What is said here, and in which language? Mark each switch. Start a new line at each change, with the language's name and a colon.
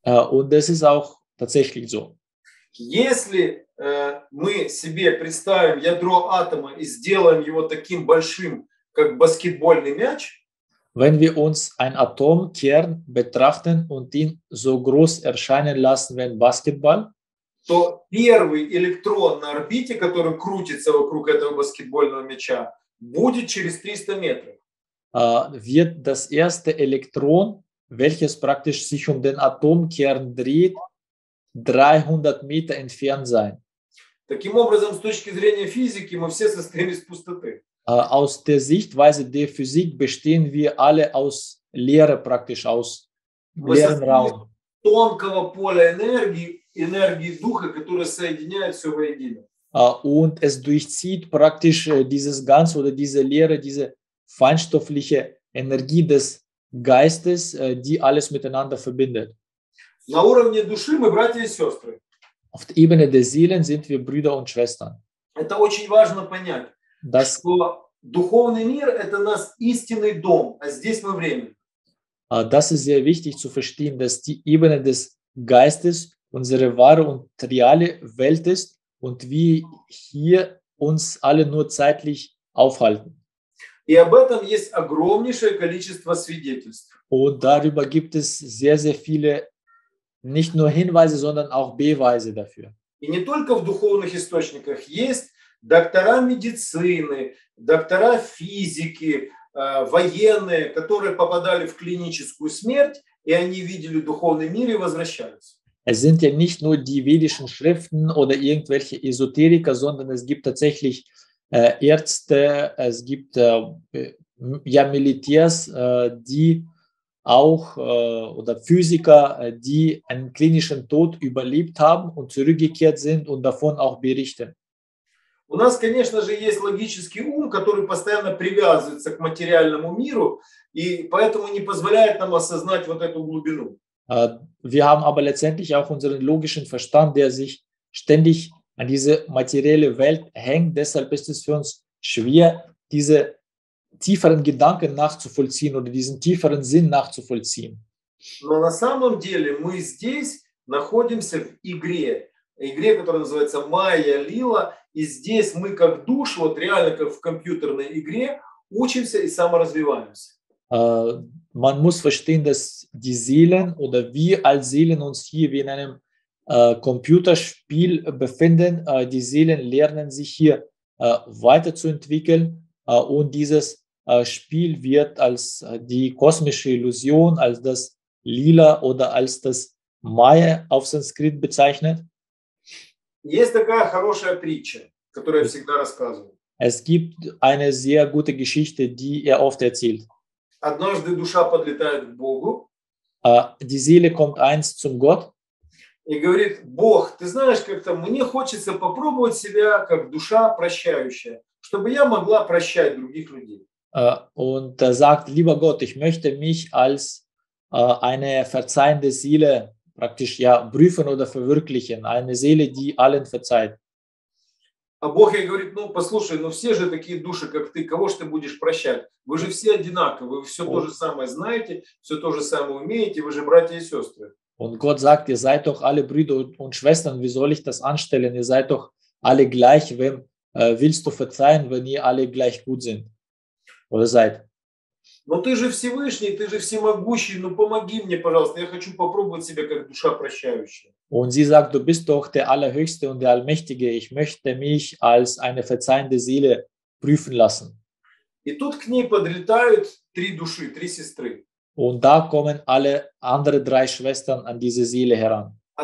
German: Und das ist auch tatsächlich so.
Russian: Если мы себе представим ядро атома и сделаем его таким большим, как баскетбольный мяч,
German: wenn wir uns ein Atomkern betrachten und ihn so groß erscheinen lassen wie ein Basketball,
Russian: то первый электрон на орбите, который крутится вокруг этого баскетбольного мяча, будет через 300 метров.
German: Wird das erste Elektron, welches praktisch sich den Atomkern dreht, 300 Meter entfernt sein.
Russian: Таким образом, с точки зрения физики, мы все состоим из пустоты.
German: Aus der Sichtweise der Physik bestehen wir alle aus Leere praktisch, aus leeren Raum.
Russian: Тонкого поля энергии, энергии духа, которая соединяет все воедино.
German: Und es durchzieht praktisch dieses Ganze oder diese Leere, diese feinstoffliche Energie des Geistes, die alles miteinander verbindet.
Russian: На уровне души мы братья и сестры.
German: Auf der Ebene der Seelen sind wir Brüder und Schwestern.
Russian: Это очень важно понять,
German: das,
Russian: что духовный мир – это наш истинный дом, а здесь мы временно.
German: Das ist sehr wichtig zu verstehen, dass die Ebene des Geistes unsere wahre und reale Welt ist und wir hier uns alle nur zeitlich aufhalten.
Russian: И об этом есть огромнейшее количество свидетельств.
German: Und darüber gibt es sehr, sehr viele nicht nur Hinweise, sondern auch Beweise dafür.
Russian: И не только в духовных источниках есть доктора медицины, доктора физики, военные, которые попадали в клиническую смерть, и они видели духовный мир и возвращались.
German: Es sind ja nicht nur die vedischen Schriften oder irgendwelche Esoteriker, sondern es gibt tatsächlich Ärzte, es gibt ja Militärs, die auch oder Physiker, die einen klinischen Tod überlebt haben und zurückgekehrt sind und davon auch berichten.
Russian: У нас, конечно же, есть логический ум, который постоянно привязывается к материальному миру и поэтому не позволяет нам осознать вот эту глубину.
German: Wir haben aber letztendlich auch unseren logischen Verstand, der sich ständig an diese materielle Welt hängt. Deshalb ist es für uns schwer, diese tieferen Gedanken nachzuvollziehen oder diesen tieferen Sinn nachzuvollziehen.
Russian: Но на самом деле мы здесь находимся в игре. Игре, которая называется Майя Лила. И здесь мы как душ, вот реально как в компьютерной игре, учимся и саморазвиваемся.
German: Man muss verstehen, dass die Seelen oder wir als Seelen uns hier wie in einem Computerspiel befinden. Die Seelen lernen sich hier weiterzuentwickeln und dieses Spiel wird als die kosmische Illusion, als das Lila oder als das Maya auf Sanskrit bezeichnet.
Russian: Есть такая хорошая притча, которую я всегда рассказываю.
German: Es gibt eine sehr gute Geschichte, die er oft erzählt.
Russian: Однажды душа подлетает к Богу.
German: Die Seele kommt eins zum Gott.
Russian: И говорит: Бог, ты знаешь, как-то мне хочется попробовать себя как душа прощающая, чтобы я могла прощать других людей.
German: Und er sagt: Lieber Gott, ich möchte mich als eine verzeihende Seele praktisch ja prüfen oder verwirklichen, eine Seele, die allen verzeiht.
Russian: А Бог ей говорит: ну, послушай, ну все же такие души, как ты, кого же ты будешь прощать? Вы же все одинаковы, вы все то же самое знаете, все то же самое умеете, вы же братья и сестры.
German: Und Gott sagt, ihr seid doch alle Brüder und Schwestern, wie soll ich das anstellen? Ihr seid doch alle gleich, wem willst du verzeihen, wenn ihr alle gleich gut sind? Oder seid?
Russian: Ну ты же Всевышний, ты же Всемогущий, ну помоги мне, пожалуйста, я хочу попробовать себя как душа прощающая.
German: Und sie sagt, du bist doch der Allerhöchste und der Allmächtige. Ich möchte mich als eine verzeihende Seele prüfen lassen. Und da kommen alle anderen drei Schwestern an diese Seele heran.